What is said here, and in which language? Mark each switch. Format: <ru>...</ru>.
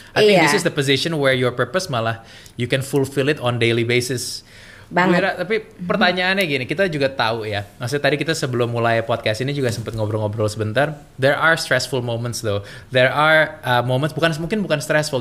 <en>I think this is the position where your purpose malah you can fulfill it on daily basis.</en> <id>Banget. Bu Ira, tapi pertanyaannya gini, kita juga tahu ya. Maksudnya tadi kita sebelum mulai podcast ini juga sempat ngobrol-ngobrol sebentar.</id> <en>There are stressful moments though. There are moments, bukan stressful.</en>